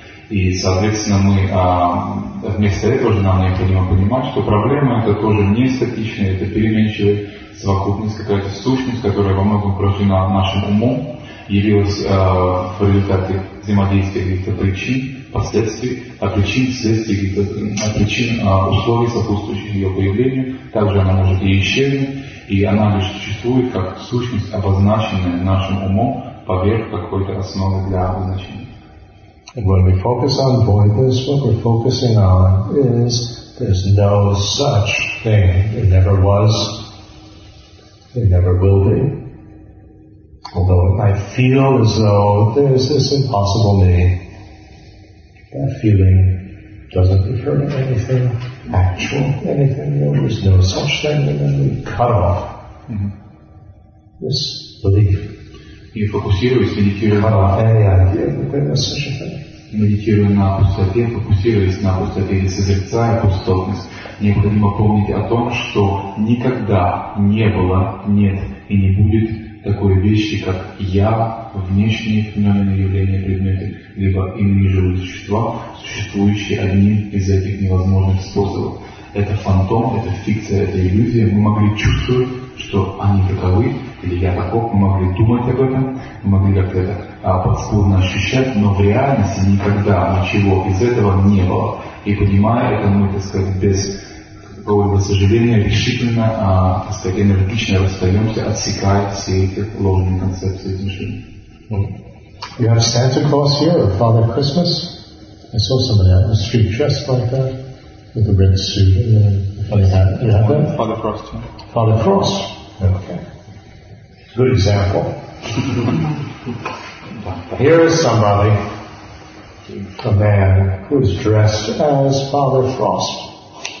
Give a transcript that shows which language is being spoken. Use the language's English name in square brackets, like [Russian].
[Russian] И, соответственно, мы вместо этого же нам необходимо понимать, что проблема это тоже не статичная, это переменчивая совокупность, какая-то сущность, которая во многом порождена нашим умом, явилась в результате взаимодействия каких-то причин, последствий, а причин, следствий, каких-то причин, условий, сопутствующих ее появлению, также она может и исчезнуть, и она лишь существует как сущность, обозначенная нашим умом поверх какой-то основы для обозначения. [English] When we focus on voidness, what we're focusing on is there's no such thing. It never was. It never will be. Although it might feel as though there's this impossible me, that feeling doesn't refer to anything actual, anything real. There's no such thing. And then we cut off this belief. You focus here, you cut off any idea that there's such a thing. [Russian] Медитируя на пустоте, фокусируясь на пустоте или созерцая пустотность, необходимо помнить о том, что никогда не было, нет и не будет такой вещи, как «я», внешние феноменные явления, предметы, либо иные живые существа, существующие одним из этих невозможных способов. Это фантом, это фикция, это иллюзия. Мы могли чувствовать, что они таковы, или я таков, мы могли думать об этом, мы могли как-то это подспудно ощущать, но в реальности никогда ничего из этого не было. И понимая это, мы, так сказать, без какого-либо сожаления, решительно, так сказать, энергично расстаемся, отсекая все эти ложные концепции измышления. [English] You have Santa Claus here, or Father Christmas? I saw somebody out in the street dressed like that, with a red suit and a funny hat. You have that? Father Frost. Father Frost? Okay. Good example. Here is somebody, a man, who is dressed as Father Frost.